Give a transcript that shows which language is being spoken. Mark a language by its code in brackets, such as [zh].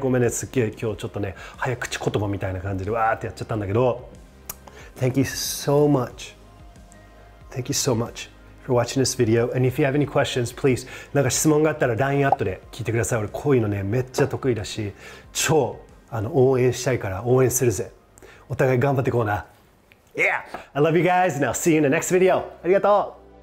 [ja] ごめんね、すっげえ今日ちょっとね早口言葉みたいな感じでわーってやっちゃったんだけど、 [en] Thank you so much. Thank you so much for watching this video. And if you have any questions, please, [ja] なんか質問があったら LINE アットで聞いてください。俺こういうのねめっちゃ得意だし、超応援したいから応援するぜ。お互い頑張っていこうな。 [en] Yeah, I love you guys and I'll see you in the next video. ありがとう。